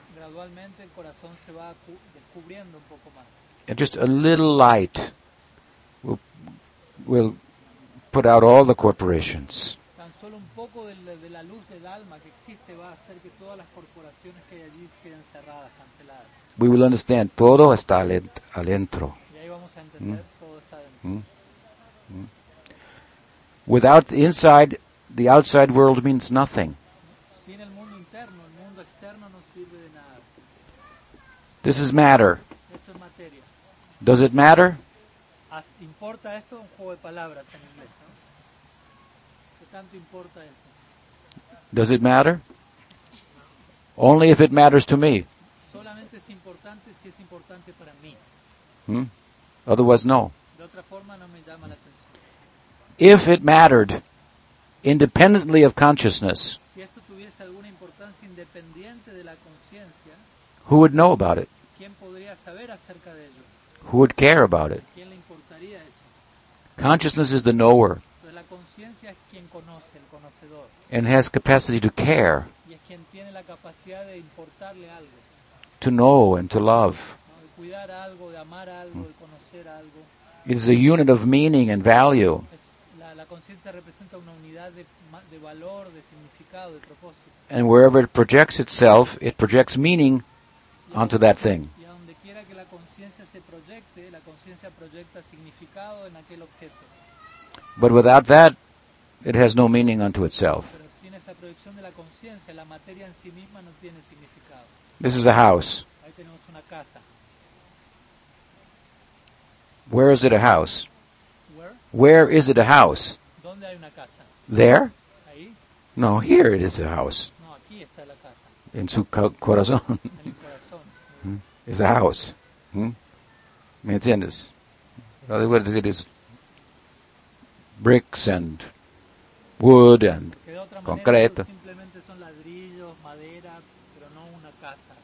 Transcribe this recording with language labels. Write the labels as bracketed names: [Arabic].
[Spanish] Gradualmente el corazón se va descubriendo un poco más. [English] And just a little light will put out all the corporations. [Spanish] Tan solo un poco de la luz del alma que existe va a hacer que todas las corporaciones que hay allí queden cerradas, canceladas. [English] We will understand [Spanish] todo está adentro. Y ahí vamos a entender todo está adentro. [English] Without the inside, the outside world means nothing. [Spanish] Sin el mundo interno, el mundo externo no sirve de nada. [English] This is matter. [Spanish] Esto es materia. [English] Does it matter? [Spanish] ¿Importa esto? Un juego de palabras en inglés, ¿no? ¿Qué tanto importa esto? [English] Does it matter? Only if it matters to me. [Spanish] Solamente es importante si es importante para mí. [English] Otherwise, no. [Spanish] De otra forma, no me llama la atención. [English] If it mattered independently of consciousness, [Spanish] si esto tuviese alguna importancia independiente de la conciencia, [English] who would know about it? [Spanish] ¿Quién podría saber acerca de ello? [English] Who would care about it? [Spanish] ¿Quién le importaría eso? [English] Consciousness is the knower. [Spanish] Pues la conciencia es quien conoce, el conocedor. [English] And has capacity to care. [Spanish] Y es quien tiene la capacidad de importarle algo. [English] To know and to love. [Spanish] ¿No? [English] It is a unit of meaning and value. [Spanish] La conciencia representa una unidad de valor, de significado, de propósito. [English] And wherever it projects itself, it projects meaning onto that thing. [Spanish] Y donde quiera que la conciencia se proyecte, la conciencia proyecta significado en aquel objeto. [English] But without that, it has no meaning unto itself. [Spanish] Pero sin esa proyección de la conciencia, la materia en sí misma no tiene significado. [English] This is a house. [Spanish] Ahí tenemos una casa. [English] Where is it a house? Where is it a house? [Spanish] ¿Dónde hay una casa? [English] There? [Spanish] Ahí? [English] No, here it is a house. [Spanish] No, aquí está la casa. En su corazón. En el corazón. [English] It's a house. [Spanish] ¿Me entiendes? [English] In other words, it is bricks and wood and concreto. [Spanish] Simplemente son ladrillos, madera, pero no una casa.